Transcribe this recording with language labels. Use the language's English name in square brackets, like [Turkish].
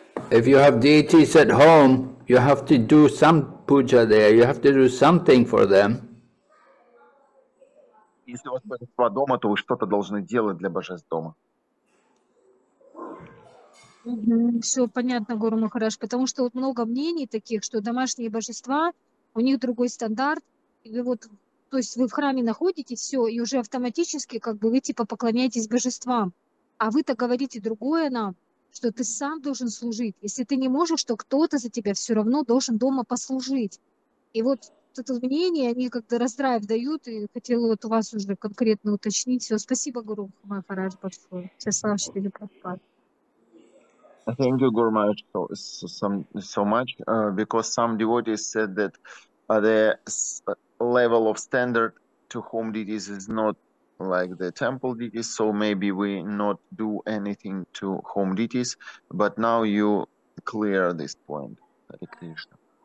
[English] If you have deities at home, you have to do some puja there, you have to do something for them. [Russian] Если у вас божества дома, то вы что-то должны делать для божеств дома. Все понятно, Гуру Махарадж, потому что вот много мнений таких, что домашние божества, у них другой стандарт. И вот, то есть вы в храме находитесь, все, и уже автоматически как бы вы типа поклоняетесь божествам. А вы-то говорите другое нам, что ты сам должен служить. Если ты не можешь, то кто-то за тебя все равно должен дома послужить. И вот это мнение, они как-то раздрайв дают, и хотела вот у вас уже конкретно уточнить. Все, спасибо, Гуру Махарадж, большое. Всеслав Шрили Прабхупад. [English] Thank you, Guru Maharaj, so much, because some devotees said that the level of standard to home deities is not like the temple deities, so maybe we not do anything to home deities, but now you clear this point, Hare Krishna.